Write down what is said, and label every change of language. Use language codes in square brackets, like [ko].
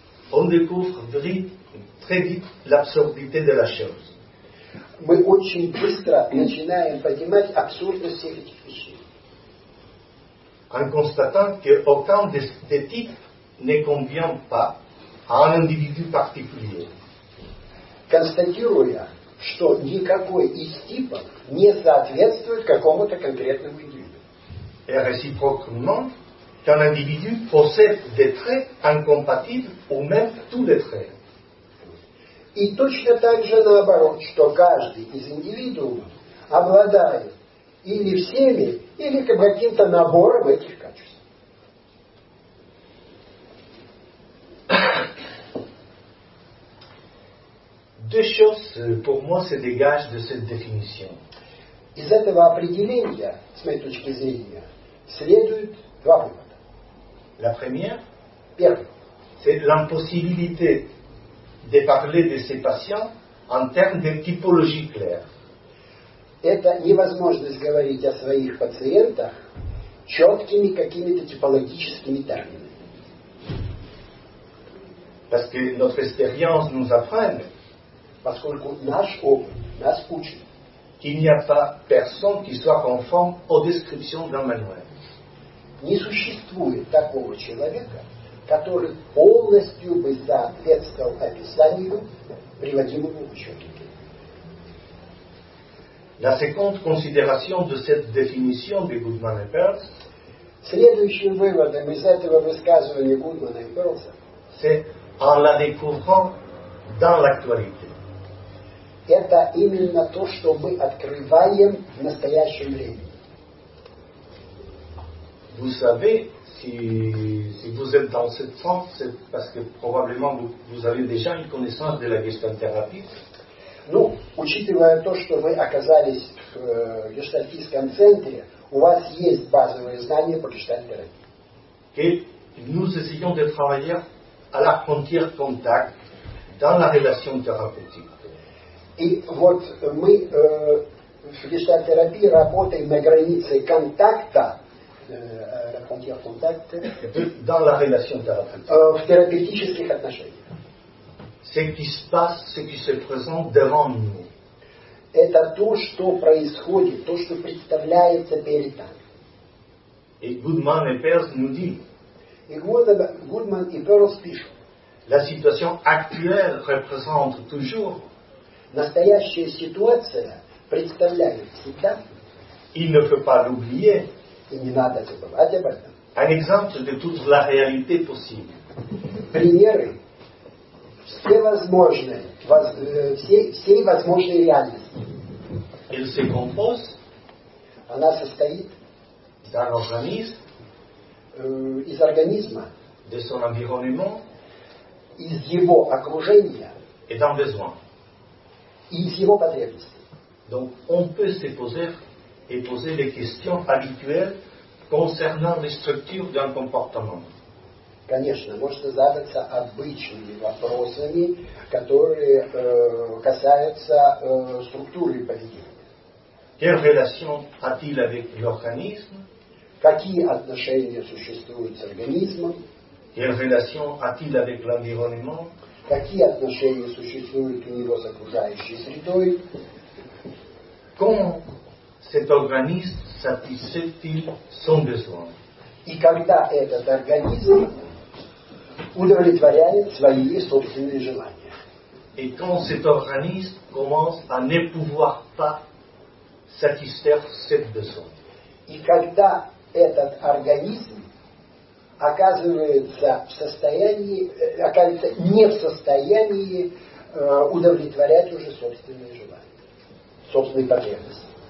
[fr] on découvre très vite l'absurdité de la chose. [ru] Мы очень быстро начинаем понимать абсурдность всех этих вещей. [fr] En constatant qu'aucun des types ne convient pas à un individu particulier. [ru] Констатируя, что никакой из типов не соответствует какому-то конкретному индивиду. [fr] Et réciproquement, qu'un individu possède des traits incompatibles ou même tous les traits. [ru] И точно так же наоборот, что каждый из индивидуумов обладает или всеми, или каким-то набором этих качеств. [fr] Deux choses, pour moi, se dégagent de cette définition. [ru] Из этого определения, с моей точки зрения, следует два вывода. [fr] La première, [ru] первое, [fr] c'est l'impossibilité de parler de ces patients en termes de typologie claire. [ru] Это невозможность говорить о своих пациентах четкими какими-то типологическими терминами. [fr] Parce que notre expérience nous apprend. [ru] Поскольку наш опыт нас учит, [fr] qu'il n'y a pas personne qui soit conforme aux descriptions d'un manuel. [ru] Не существует такого человека, который полностью бы соответствовал описанию, приводимому в учебнике. [fr] La seconde considération de cette définition de Goodman et Peirce, [ru] следующим выводом из этого высказывания Гудмана и Перлса, [fr] c'est en la découvrant dans l'actualité. [ru] Это именно то, что мы открываем в настоящем времени. [fr] Vous savez, si vous êtes dans cette sens, c'est parce que probablement vous avez déjà une connaissance de la gestalt-thérapie. [ru] Ну, учитывая то, что вы оказались в гештальтистском центре, у вас есть базовые знания по гештальт-терапии. [fr] Et nous essayons de travailler à la frontière contact dans la relation thérapeutique. [ru] И вот мы в гештальт-терапии работаем на границе контакта. [fr] Dans la relation thérapeutique. [ru] В терапевтических отношениях. [fr] Ce qui se passe, ce qui se présente devant nous. [ru] Это то, что происходит, то, что представляется перед нами. [fr] Et Goodman et Peirce nous disent. Et Goodman et Peirce [ru] пишут. [fr] La situation actuelle représente toujours. [ru] Настоящая ситуация представляет всегда. [fr] Il ne faut pas l'oublier. [ru] И не надо забывать об этом. [fr] Un exemple de toute la réalité possible. [ru] Примеры всей возможной реальности. [fr] Elle se compose. [ru] Она состоит. [fr] D'un organisme. [ru] Из организма. [fr] De son environnement. [ru] Из его окружения. [fr] Et d'un besoin. [ru] Из его потребностей. [fr] Donc on peut se poser et poser les questions habituelles concernant les structures d'un comportement. [ru] Конечно, можно задаться обычными вопросами, которые касаются структуры поведения. [fr] Quelle relation a-t-il avec l'organisme? [ru] Какие отношения существуют с организмом? [fr] Quelle relation a-t-il avec l'environnement? [ru] Какие отношения существуют у него с окружающей средой? [fr] Comment cet organisme satisfait-il son besoin? [ru] И когда этот организм удовлетворяет свои собственные желания? [fr] Et quand cet organisme commence à ne pouvoir pas satisfaire ses besoins? [ru] И когда этот организм оказывается в состоянии, оказывается не в состоянии удовлетворять уже собственные желания, собственные потребности?